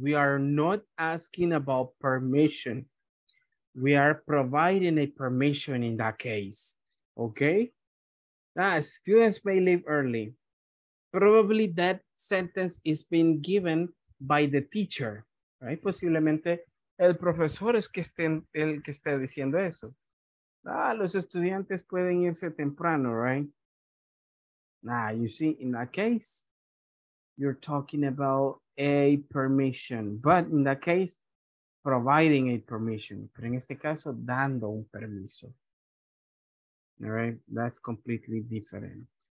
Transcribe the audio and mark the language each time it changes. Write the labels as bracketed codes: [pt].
[en] We are not asking about permission. We are providing a permission in that case. Okay? Ah, students may leave early. Probably that sentence is being given by the teacher, right? [es] Posiblemente el profesor es que esté, el que esté diciendo eso. Ah, los estudiantes pueden irse temprano, [en] right? Nah, you see, in that case, you're talking about a permission, but in that case, providing a permission. [es] Pero en este caso, dando un permiso. [en] All right, that's completely different.